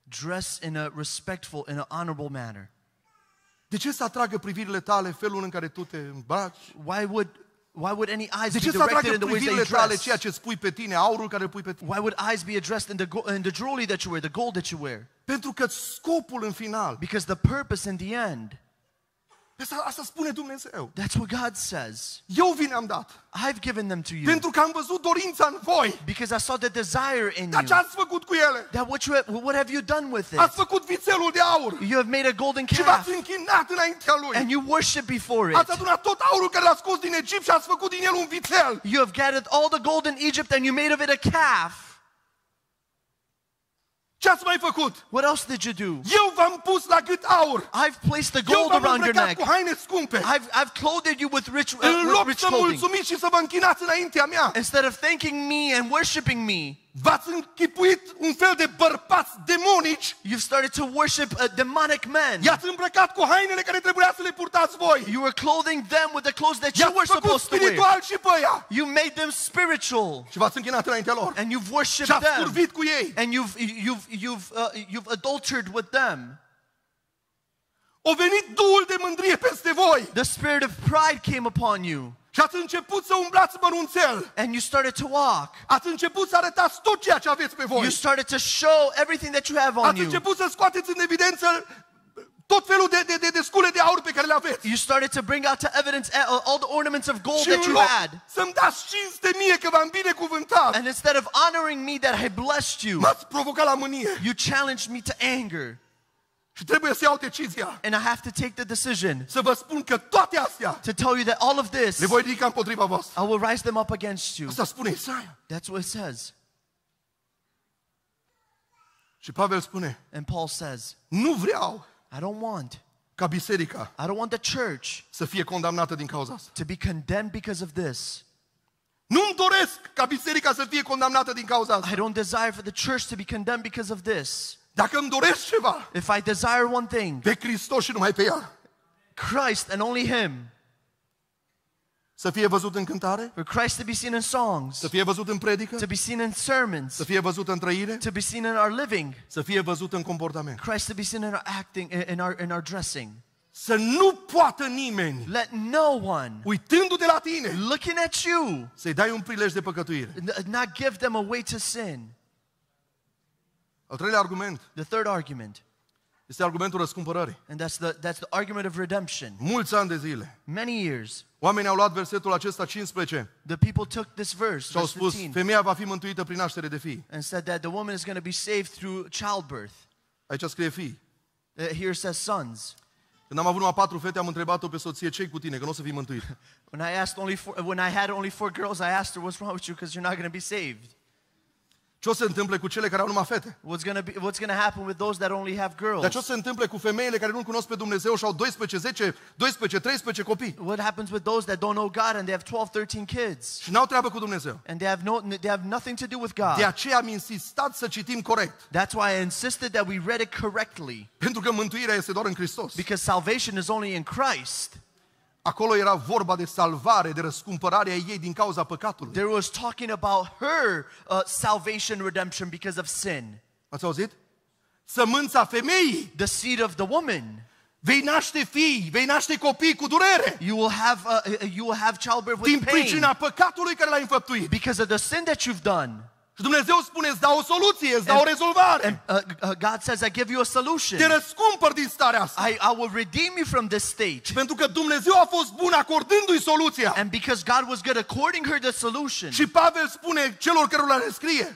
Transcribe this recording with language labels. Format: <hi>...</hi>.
<en>dress in a respectful, in an honorable manner.</en> <ro>De ce să atragă privirile tale felul în care tu te îmbraci?</ro> <en>Why would any eyes be directed in the way that you dress?</en> <ro>Ceea ce spui pe tine, aurul care pui pe tine?</ro> <en>Why would eyes be addressed in the jewelry that you wear, the gold that you wear?</en> <ro>Pentru că scopul în final.</ro> <en>Because the purpose in the end.</en> <ro>Asta spune Dumnezeu.</ro> <en>That's what God says.</en> <ro>Eu vi ne-am dat.</ro> <en>I've given them to you.</en> <ro>Pentru că am văzut dorința în voi.</ro> <en>Because I saw the desire in</en> <ro>you. Ce-ați făcut cu ele?</ro> <en>That what have you done with it?</en> <ro>Ați făcut vițelul de aur.</ro> <en>You have made a golden calf.</en> <ro>Și v-ați închinat înaintea lui.</ro> <en>And you worship before it.</en> <ro>Ați adunat tot aurul care l-ați scos din Egipt și ați făcut din el un vițel.</ro> <en>You have gathered all the gold in Egypt and you made of it a calf.</en> <ro>Ce ați mai făcut?</ro> <en>What else did you do?</en> <ro>Eu v-am pus la gât aur.</ro> <en>I've placed the gold around your neck.</en> <ro>Eu v-am îmbrăcat cu haine scumpe.</ro> <en>I've clothed you with rich clothing.</en> <ro>În loc să mulțumiți și să vă închinați înaintea mea.</ro> <en>Instead of thanking me and worshiping me.</en> <ro>V-ați închipuit un fel de bărbați demonici.</ro> <en>You've started to worship a demonic man.</en> <ro>I-ați îmbrăcat cu hainele care trebuia să le purtați voi.</ro> <en>You were clothing them with the clothes that you were supposed to wear.</en> <ro>I-ați făcut spiritual și pe ea.</ro> <en>You made them spiritual.</en> <ro>Și v-ați închinat înaintea lor.</ro> <en>And you've worshipped them.</en> <ro>Și-ați curvit cu ei.</ro> <en>And you've adultered with them.</en> <ro>O venit duhul de mândrie peste voi.</ro> <en>The spirit of pride came upon you.</en> <ro>Și ați început să umblați mărunțel.</ro> <en>And you started to walk.</en> <ro>Ați început să arătați tot ceea ce aveți pe voi.</ro> <en>You started to show everything that you have on you.</en> <ro>Ați început să scoateți în evidență tot felul de scule de aur pe care le aveți.</ro> <en>You started to bring out to evidence all the ornaments of gold that you had.</en> <ro>Să-mi dați cinste mie că v-am binecuvântat.</ro> <en>And instead of honoring me that I blessed you.</en> <ro>M-ați provocat la mânie.</ro> <en>You challenged me to anger.</en> <ro>Și trebuie să iau decizia.</ro> <en>And I have to take the decision.</en> <ro>Să vă spun că toate astea.</ro> <en>To tell you that all of this.</en> <ro>Le voi ridica împotriva voastră.</ro> <en>I will rise them up against you.</en> <ro>Asta spune Isaia.</ro> <en>That's what it says.</en> <ro>Și Pavel spune.</ro> <en>And Paul says.</en> <ro>Nu vreau.</ro> <en>I don't want.</en> <ro>Ca biserica.</ro> <en>I don't want the church.</en> <ro>Să fie condamnată din cauza asta.</ro> <en>To be condemned because of this.</en> <ro>Nu-mi doresc ca biserica să fie condamnată din cauza asta.</ro> <en>I don't desire for the church to be condemned because of this.</en> <ro>Dacă îmi doresc ceva,</ro> <en>if I desire one thing,</en> <ro>pe Hristos și numai pe El,</ro> <en>Christ and only Him,</en> <ro>să fie văzut în cântare,</ro> <en>for Christ to be seen in songs,</en> <ro>să fie văzut în predică,</ro> <en>to be seen in sermons,</en> <ro>să fie văzut în trăire,</ro> <en>to be seen in our living,</en> <ro>să fie văzut în comportament,</ro> <en>Christ to be seen in our acting, in our dressing,</en> <ro>să nu poată nimeni,</ro> <en>let no one,</en> <ro>uitându-te la tine,</ro> <en>looking at you,</en> <ro>să-i dai un prilej de păcătuire,</ro> <en>not give them a way to sin.</en> <ro>Al treilea argument.</ro> <en>The third argument.</en> <ro>Este argumentul răscumpărării.</ro> <en>And that's the argument of redemption.</en> <ro>Mulți ani de zile.</ro> <en>Many years.</en> <ro>Oamenii au luat versetul acesta 15.</ro> <en>The people took this verse.</en> <ro>Și au spus, femeia va fi mântuită prin naștere de fii.</ro> <en>And said that the woman is going to be saved through childbirth.</en> <ro>Aici scrie fii.</ro> <en>Here says sons.</en> <ro>Când am avut numai 4 fete, am întrebat-o pe soție, ce-i cu tine, că nu o să fii mântuit.</ro> <en>When I had only four girls, I asked her, what's wrong with you, because you're not going to be saved.</en> <ro>Ce o să se întâmple cu cele care au numai fete?</ro> <en>What's gonna happen with those that only have girls?</en> <ro>Dar ce o să se întâmple cu femeile care nu cunosc pe Dumnezeu și au 12, 10, 12, 13 copii?</ro> <en>What happens with those that don't know God and they have 12, 13 kids?</en> <ro>Și n-au treabă cu Dumnezeu.</ro> <en>And they have nothing to do with God.</en> <ro>De aceea am insistat să citim corect.</ro> <en>That's why I insisted that we read it correctly.</en> <ro>Pentru că mântuirea este doar în Hristos.</ro> <en>Because salvation is only in Christ.</en> <ro>Acolo era vorba de salvare, de răscumpărarea ei din cauza păcatului.</ro> <en>There was talking about her salvation, redemption because of sin.</en> <ro>Ați auzit? Sămânța femeii.</ro> <en>The seed of the woman.</en> <ro>Vei naște fii, vei naște copii cu durere.</ro> <en>You will have childbirth with pain.</en> <ro>Din pricina păcatului care l-ai înfăptuit.</ro> <en>Because of the sin that you've done.</en> <ro>Și Dumnezeu spune, îți dau o soluție, îți dau o rezolvare.</ro> <en>God says, I give you a solution.</en> <ro>Te răscumpăr din starea asta.</ro> <en>I will redeem you from this state.</en> <ro>Pentru că Dumnezeu a fost bun acordându-i soluția.</ro> <en>And because God was good according her the solution.</en> <ro>Și Pavel spune celor cărora le scrie.</ro>